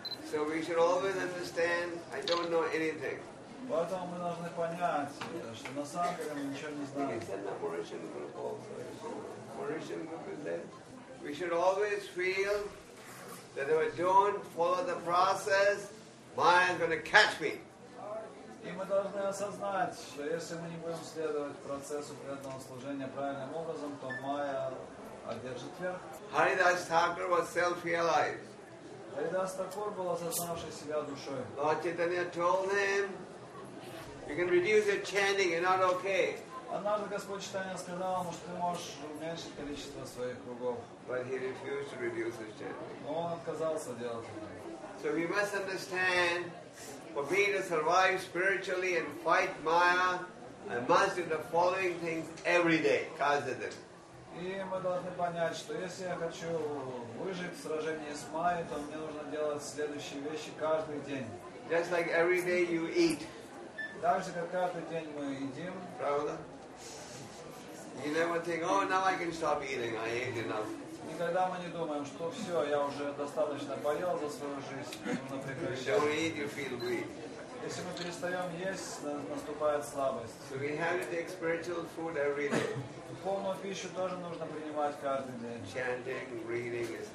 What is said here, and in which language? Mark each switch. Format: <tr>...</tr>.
<en>So we should always understand, I don't know anything.</en> <ru>Поэтому мы должны понять, что на самом деле мы ничего не знаем.</ru> <en>It's in the Mauritian group also. Mauritian group is there. We should always feel that if I don't follow the process, Maya is going to catch me.</en> <ru>И мы должны осознать, что если мы не будем следовать процессу преданного служения правильным образом, то Майя одержит верх.</ru> <en>Haridas Thakur was self-realized.</en> <ru>Haridas Thakur был осознавший себя душой.</ru> <en>Lord Chaitanya told him, You can reduce your chanting, you're not okay.</en> <ru>Однажды Господь Читания сказал ему, что ты можешь уменьшить количество своих кругов.</ru> <en>But he refused to reduce his chanting.</en> <ru>Но он отказался делать это.</ru> <en>So we must understand, for me to survive spiritually and fight Maya, I must do the following things every day, Kazadin.</en> <ru>И мы должны понять, что если я хочу выжить в сражении с Майей, то мне нужно делать следующие вещи каждый день.</ru> <en>Just like every day you eat.</en> <ru>Так же, как каждый день мы едим. Правда?</ru> <en>You never think, oh, now I can stop eating, I ate enough.</en> <ru>Никогда мы не думаем, что все, я уже достаточно поел за свою жизнь. Если мы перестаем есть, наступает слабость. Духовную пищу тоже нужно принимать каждый день.</ru> <en>Chanting, reading,</en>